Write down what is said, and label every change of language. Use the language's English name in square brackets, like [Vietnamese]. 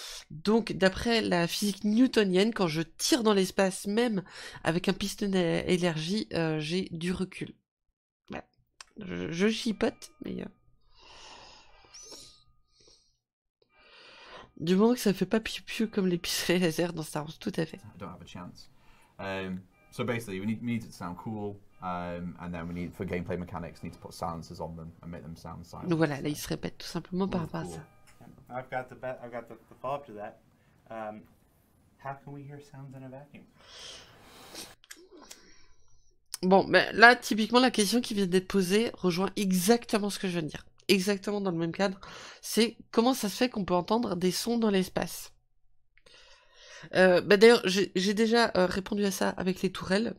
[French] Donc, d'après la physique newtonienne, quand je tire dans l'espace, même avec un pistolet à énergie, j'ai du recul. Je chipote, mais... Du moment que ça ne fait pas piou-piou comme les pistolets laser dans Star Wars, tout à fait. [English] I don't have a chance. So basically, we need it to sound cool, and then we need, for gameplay mechanics, we need to put silences on them and make them sound silent. [French] Donc voilà, là, il se répète tout simplement par rapport à ça. [English] I've got the follow-up to that. How can we hear sounds in a vacuum? [French] Bon, mais là, typiquement, la question qui vient d'être posée rejoint exactement ce que je viens de dire. Exactement dans le même cadre. C'est comment ça se fait qu'on peut entendre des sons dans l'espace ? D'ailleurs, j'ai déjà répondu à ça avec les tourelles.